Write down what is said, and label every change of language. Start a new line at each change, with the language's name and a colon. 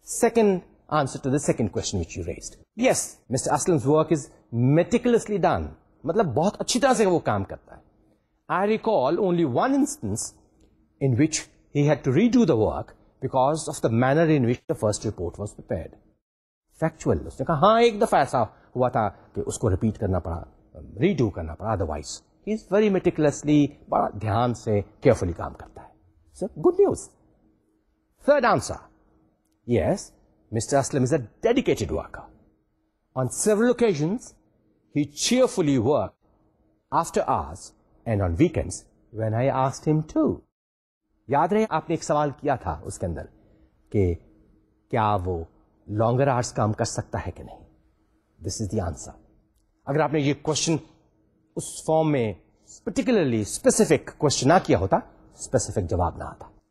English: Second answer to the second question which you raised. Yes, Mr. Aslam's work is meticulously done.
Urdu: Matlab bahut achhi tarah se wo kaam karta hai.
English: I recall only one instance in which he had to redo the work because of the manner in which the first report was prepared. Factual.
Urdu: اس نے کہا ہاں ایک دفعہ ایسا ہوا تھا کہ اس کو repeat کرنا پڑا, redo کرنا پڑا, otherwise.
English: He is very meticulously,
Urdu: بڑا دھیان سے,
English: carefully
Urdu: کام کرتا ہے.
English: So, good news. Third answer. Yes, Mr. Aslam is a dedicated worker. On several occasions, he cheerfully worked after hours and on weekends when I asked him to.
Urdu: یاد رہے آپ نے ایک سوال کیا تھا اس کے اندر کہ کیا وہ لانگر آرس کام کر سکتا ہے کہ نہیں.
English: This is the answer.
Urdu: اگر آپ نے یہ کوشچن اس فارم میں پرٹیکولرلی اسپیسیفک کوشچن نہ کیا ہوتا, اسپیسیفک جواب نہ آتا.